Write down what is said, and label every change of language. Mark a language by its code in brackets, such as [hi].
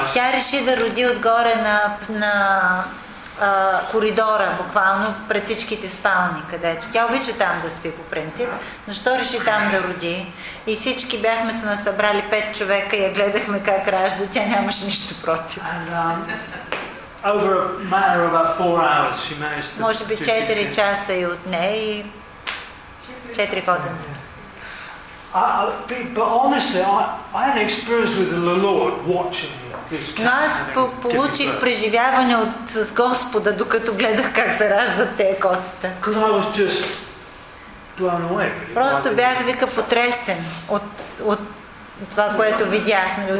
[bg] Тя реши да роди отгоре на коридора, буквално пред всичките спални, където. Тя обича там да спи по принцип, но що реши там да роди? И всички бяхме се насъбрали 5 човека и я гледахме как ражда. Тя нямаше нищо против. [en] Over a matter of about 4 hours, she managed to. [bg] Може би 4 часа и от нея и 4 котенца. [en] But honestly, I had experience with the Lord watching this cat. [bg] Но аз получих преживяване от Господа, докато гледах как се раждат тези котета. [en] Because I was just blown away. [bg] Просто бях вика потресен от това, което видях, нали,